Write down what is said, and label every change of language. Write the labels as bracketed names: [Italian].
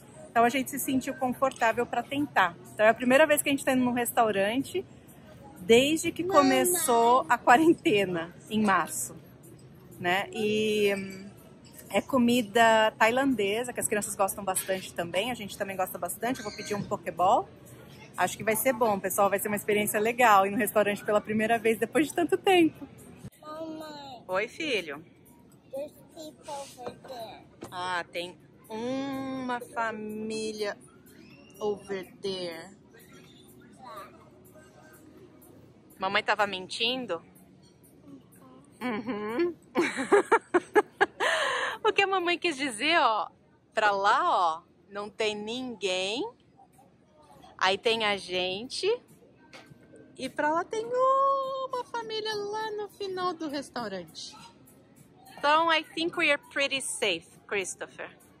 [Portuguese] Então a gente se sentiu confortável para tentar. Então é a primeira vez que a gente está indo num restaurante desde que começou a quarentena, em março, né? E é comida tailandesa, que as crianças gostam bastante também. A gente também gosta bastante. Eu vou pedir um pokeball. Acho que vai ser bom, pessoal. Vai ser uma experiência legal ir no restaurante pela primeira vez depois de tanto tempo. Mamãe. Oi, filho. [English] There's people over there. [Portuguese] Ah, tem uma família... [English] over there. [Portuguese] Mamãe tava mentindo? Uhum. O que a mamãe quis dizer, ó, pra lá, ó, não tem ninguém, aí tem a gente, e pra lá tem uma família lá no final do restaurante. [English] Então, I think we are pretty safe, Christopher.